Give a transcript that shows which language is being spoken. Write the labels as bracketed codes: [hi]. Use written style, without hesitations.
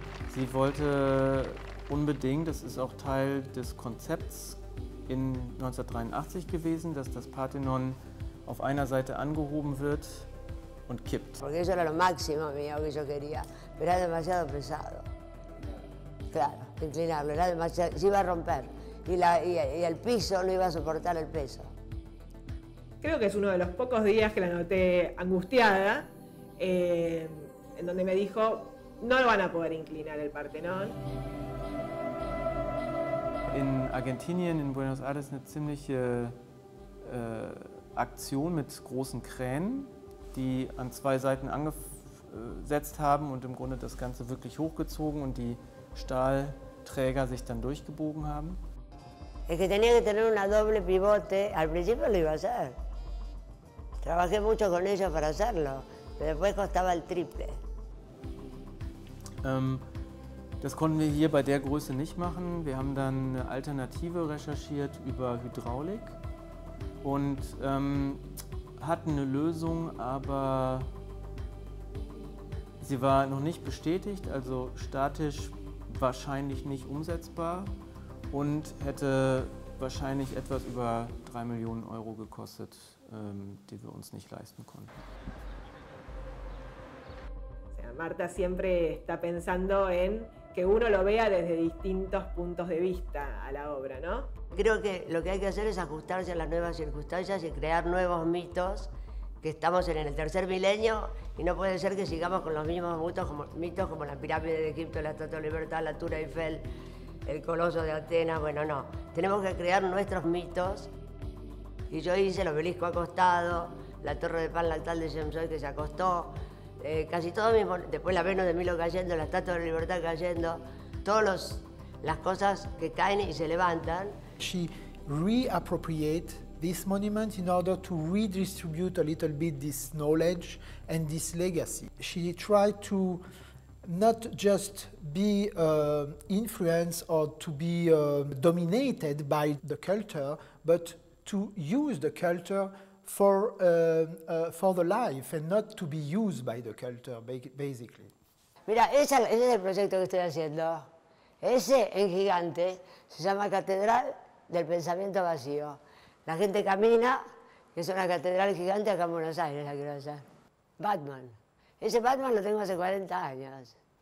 [de] Sie wollte unbedingt, das ist auch Teil des Konzepts in 1983 gewesen, dass das Parthenon auf einer Seite angehoben wird und kippt. [es] Porque eso era lo máximo mío que yo quería, pero era demasiado pesado. Claro, inclinarlo, era demasiado, se iba a romper y el piso no iba a soportar el peso. Creo que es uno de los pocos días que la noté angustiada, en donde me dijo, no lo van a poder inclinar el Partenón. En Argentina, en Buenos Aires, una [de] ziemliche Aktion mit großen Kränen, die an zwei Seiten angesetzt haben und im Grunde das Ganze wirklich hochgezogen und die Stahlträger sich dann durchgebogen haben. [es] Es que tenía que tener una doble pivote, al principio lo iba a hacer. Trabajé mucho con ellos para hacerlo, pero después costaba el triple. [de] Das konnten wir hier bei der Größe nicht machen. Wir haben dann eine Alternative recherchiert über Hydraulik und hatten eine Lösung, aber sie war noch nicht bestätigt, also statisch wahrscheinlich nicht umsetzbar und hätte wahrscheinlich etwas über 3 Millionen Euro gekostet, die wir uns nicht leisten konnten. [es] Marta siempre está pensando en que uno lo vea desde distintos puntos de vista a la obra, ¿no? Creo que lo que hay que hacer es ajustarse a las nuevas circunstancias y crear nuevos mitos, que estamos en el tercer milenio y no puede ser que sigamos con los mismos mitos como la pirámide de Egipto, la Estatua de Libertad, la Torre Eiffel, el Coloso de Atenas, bueno, no. Tenemos que crear nuestros mitos y yo hice el obelisco acostado, la torre de pan, la tal de James Joy que se acostó, casi todo mismo, después la Venus de Milo cayendo, la Estatua de la Libertad cayendo, todas las cosas que caen y se levantan. [en] She reappropriate this monument in order to redistribute a little bit this knowledge and this legacy. She tried to not just be influenced or to be dominated by the culture, but to use the culture for the life and not to be used by the culture, basically. [es] Mira, ese es el proyecto que estoy haciendo. Ese, en gigante, se llama Catedral del Pensamiento Vacío. La gente camina, es una catedral gigante acá en Buenos Aires, la quiero hacer. Batman. Ese Batman lo tengo hace 40 años.